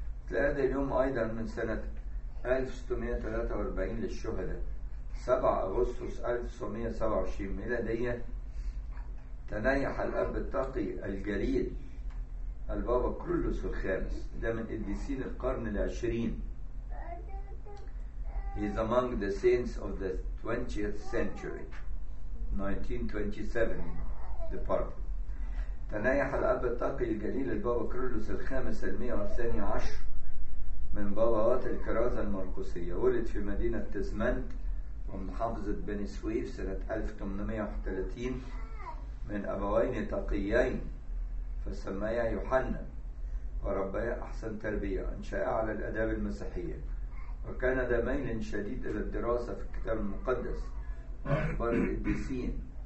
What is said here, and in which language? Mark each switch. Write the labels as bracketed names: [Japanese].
[Arabic] هذا اليوم أيضا من سنة 1643 للشهداء، 7 أغسطس 1927 ميلادية، تنايح الأب التقي الجليل البابا كرولوس الخامس. ده من قديسين القرن العشرين. [English] He's among the saints of the 20th century 1927 departed. [Arabic] تنايح الأب التقي الجليل البابا كرولوس الخامس 112 من بابوات الكرازة المرقسية. ولد في مدينة تزمنت ومحافظة بني سويف سنة 1831 من أبوين تقيين، فسمايا يوحنا وربايا أحسن تربية، أنشأ على الأداب المسيحية، وكان ذا ميل شديد إلى الدراسة في الكتاب المقدس وأخبار القديسين.